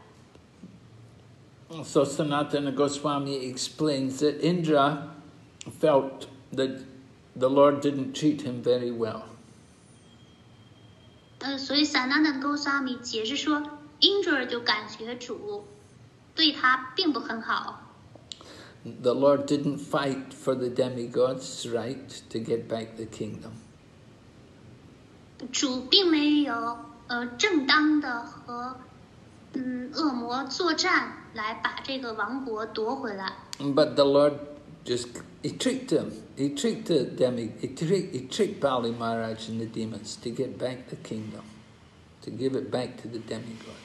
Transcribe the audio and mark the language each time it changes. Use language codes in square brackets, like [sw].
[zh] 他是耍了花招，他以布施的形式把Indra的王国，就是从巴黎那里给乞讨回来了。 [en] So Sanatana Goswami explains that Indra felt that the Lord didn't treat him very well. [zh] 所以 Sanatana Goswami 解释说 ，Indra 就感觉主。 [en] The Lord didn't fight for the demigods' right to get back the kingdom. [zh] 主并没有正当的和恶魔作战来把这个王国夺回来。 [en] But the Lord just—he tricked him. He tricked the demi—he tricked Bali Maharaj and the demons to get back the kingdom, to give it back to the demigods.